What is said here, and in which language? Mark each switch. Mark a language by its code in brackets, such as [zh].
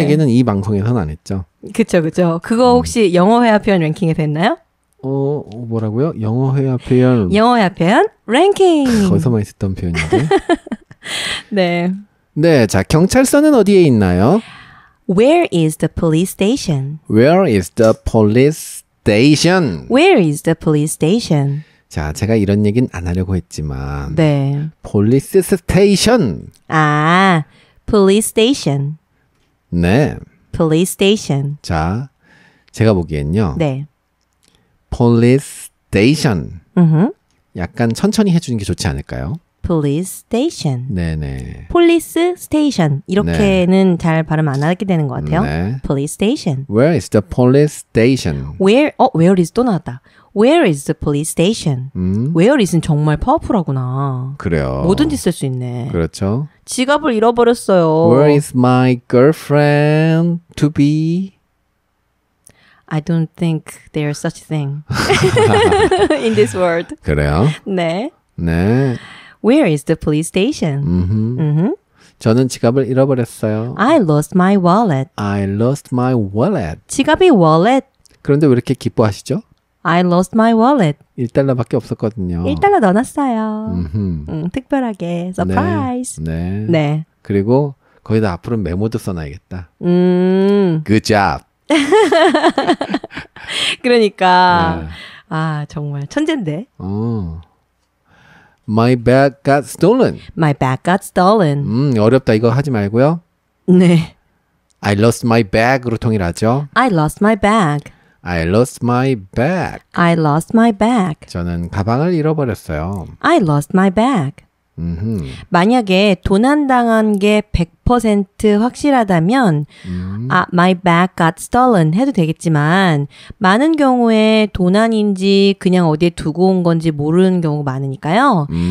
[ko] 얘기는 이 방송에서는 안 했죠. 그렇죠, 그렇죠. 그거 혹시 영어 회화 표현 랭킹에 됐나요? 뭐라고요? 영어 회화 표현. 영어 회화 표현 랭킹. 거기서 많이 쓰던 표현인데. 네. 네, 자 경찰서는 어디에 있나요? [en] Where is the police station? Where is the police station? Where is the police station? [ko] 자, 제가 이런 얘기는 안 하려고 했지만. 네. [en] Police station. 아, police station. [ko] 네. [en] Police station. [ko] 자, 제가 보기엔요. 네. [en] Police station. Mm-hmm. [ko] 약간 천천히 해주는 게 좋지 않을까요? [en] Police station. [ko] 네네. [en] Police station. [ko] 이렇게는 네. 잘 발음 안 하게 되는 것 같아요. 네. [en] Police station. Where is the police station? Where? Where is [ko] 또 나왔다. [en] Where is the police station? [ko] Where is는 정말 파워풀하구나. 그래요. 뭐든지 쓸 수 있네. 그렇죠. 지갑을 잃어버렸어요. [en] Where is my girlfriend to be? I don't think there is such a thing in this world. [ko] 그래요? 네. 네. [en] Where is the police station? [ko] 저는 지갑을 잃어버렸어요. [en] I lost my wallet. I lost my wallet. [ko] 지갑이 wallet. 그런데 왜 이렇게 기뻐하시죠? [en] I lost my wallet. [ko] 1달러밖에 없었거든요. 1달러 넣어놨어요. 특별하게. Surprise. 네. 네. 네. 그리고 거기다 앞으로 메모도 써놔야겠다. [en] Good job. [ko] 그러니까 네. 아 정말 천재인데. [en] My bag got stolen. My bag got stolen. [ko] 어렵다 이거 하지 말고요. 네. [en] I lost my bag [ko] 으로 통일하죠. [en] I lost my bag. I lost my bag. I lost my bag. [ko] 저는 가방을 잃어버렸어요. [en] I lost my bag. 음흠. [ko] 만약에 도난당한 게 100% 확실하다면 아, [en] my bag got stolen [ko] 해도 되겠지만 많은 경우에 도난인지 그냥 어디에 두고 온 건지 모르는 경우가 많으니까요.